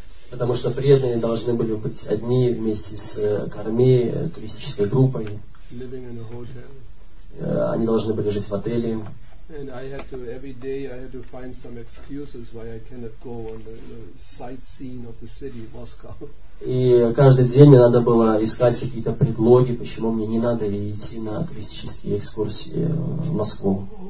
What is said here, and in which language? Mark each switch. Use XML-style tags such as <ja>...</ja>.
<ru>Потому что преданные должны были быть одни вместе с карми, туристической группой.</ru> <en>Living in a hotel.</en> <ru>Они должны были жить в отеле.</ru> <en>And I had to, every day I had to find some excuses why I cannot go on the sightseeing of the city, Moscow.</en> <ru>И каждый день мне надо было искать какие-то предлоги, почему мне не надо идти на туристические экскурсии в Москву.</ru>